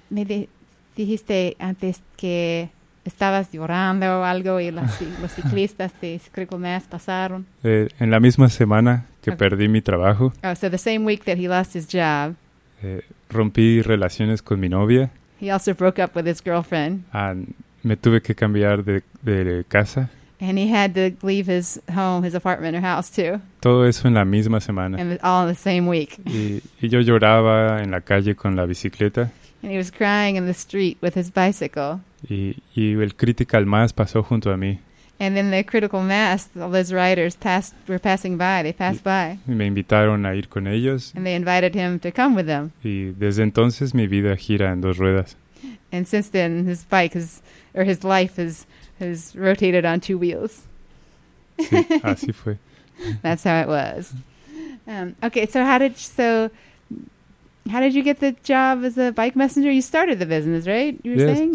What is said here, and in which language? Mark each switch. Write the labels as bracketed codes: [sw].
[es] Me dijiste antes que estabas llorando o algo y los ciclistas de Critical Mass pasaron. En la misma semana que perdí mi trabajo. [en] Oh, so the same week that he lost his job. [es] Rompí relaciones con mi novia. [en] He also broke up with his girlfriend. [es] And me tuve que cambiar de casa. [en] And he had to leave his home, his apartment or house too. [es] Todo eso en la misma semana. [en] And all in the same week. [es] Y yo lloraba en la calle con la bicicleta. [en] And he was crying in the street with his bicycle. [es] Y el Critical Mass pasó junto a mí. [en] And then the Critical Mass, all those riders passed by. [es] Y me invitaron a ir con ellos. [en] And they invited him to come with them. [es] Y desde entonces mi vida gira en dos ruedas. [en] And since then his bike is, or his life has rotated on two wheels. [es] Sí, así fue. [en] That's how it was. Okay, so how did you get the job as a bike messenger? You started the business, right? You were saying?